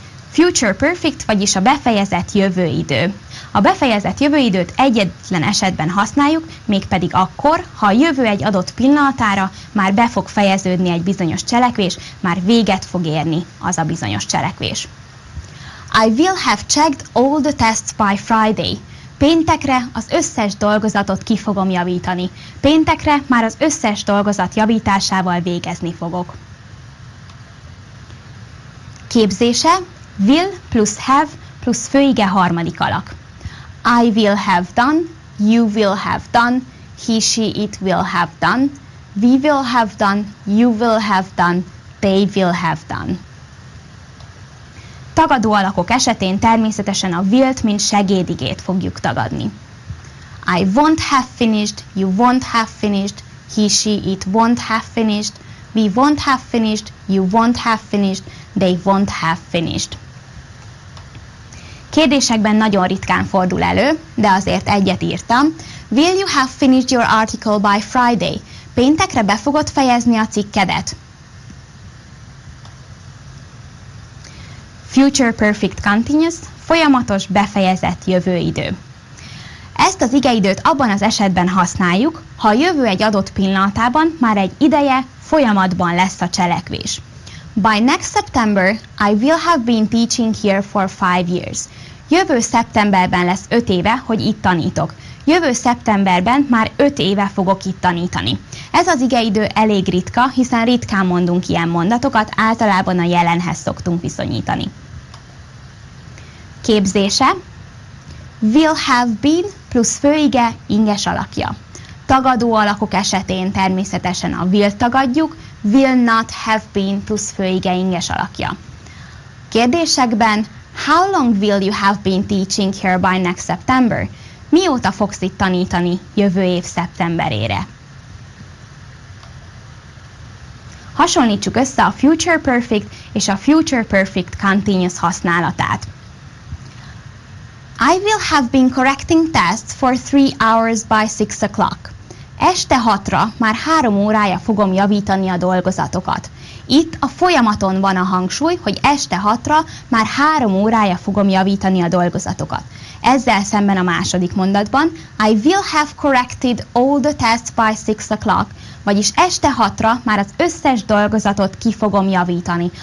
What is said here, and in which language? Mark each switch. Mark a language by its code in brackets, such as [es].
[hu] Future perfect, vagyis a befejezett jövőidő. A befejezett jövőidőt egyetlen esetben használjuk, mégpedig akkor, ha a jövő egy adott pillanatára már be fog fejeződni egy bizonyos cselekvés, már véget fog érni az a bizonyos cselekvés. [en] I will have checked all the tests by Friday. [hu] Péntekre az összes dolgozatot ki fogom javítani. Péntekre már az összes dolgozat javításával végezni fogok. Képzése. Will plusz have plusz főige harmadik alak. [en] I will have done, you will have done, he, she, it will have done, we will have done, you will have done, they will have done. [hu] Tagadó alakok esetén természetesen a will-t, mint segédigét fogjuk tagadni. [en] I won't have finished, you won't have finished, he, she, it won't have finished, we won't have finished, you won't have finished, they won't have finished. [hu] Kérdésekben nagyon ritkán fordul elő, de azért egyet írtam. [en] Will you have finished your article by Friday? [hu] Péntekre be fogod fejezni a cikkedet? Future perfect continuous, folyamatos, befejezett jövőidő. Ezt az igeidőt abban az esetben használjuk, ha a jövő egy adott pillanatában már egy ideje folyamatban lesz a cselekvés. [en] By next September, I will have been teaching here for 5 years. [hu] Jövő szeptemberben lesz 5 éve, hogy itt tanítok. Jövő szeptemberben már 5 éve fogok itt tanítani. Ez az igeidő elég ritka, hiszen ritkán mondunk ilyen mondatokat, általában a jelenhez szoktunk viszonyítani. Képzése. Will have been plusz főige inges alakja. Tagadó alakok esetén természetesen a will tagadjuk, will not have been plusz főige inges alakja. Kérdésekben. [en] How long will you have been teaching here by next September? [hu] Mióta fogsz itt tanítani jövő év szeptemberére? Hasonlítsuk össze a future perfect és a future perfect continuous használatát. [en] I will have been correcting tests for 3 hours by 6 o'clock. [hu] Este 6-ra már 3 órája fogom javítani a dolgozatokat. Itt a folyamaton van a hangsúly, hogy este 6-ra már 3 órája fogom javítani a dolgozatokat. Ezzel szemben a második mondatban, [en] I will have corrected all the tests by 6 o'clock, [hu] vagyis este 6-ra már az összes dolgozatot ki fogom javítani.